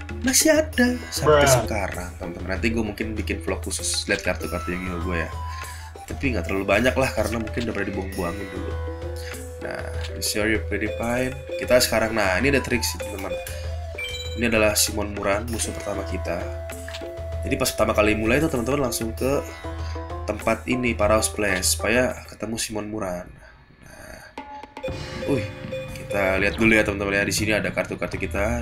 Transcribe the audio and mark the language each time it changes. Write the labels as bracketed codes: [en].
[id] Masih ada sampai sekarang, teman-teman. Nanti gue mungkin bikin vlog khusus lihat kartu-kartu Yu-Gi-Oh! Gue ya. Tapi nggak terlalu banyak lah, karena mungkin udah pernah dibuang-buangin dulu. [en] Nah, I'm sure you're pretty fine. [id] Kita sekarang, nah ini ada trik sih, teman-teman. Ini adalah Simon Muran, musuh pertama kita. Jadi pas pertama kali mulai itu, teman-teman langsung ke tempat ini, Paradise Place, supaya ketemu Simon Muran. Nah, kita lihat dulu ya, teman-teman ya. Di sini ada kartu-kartu kita.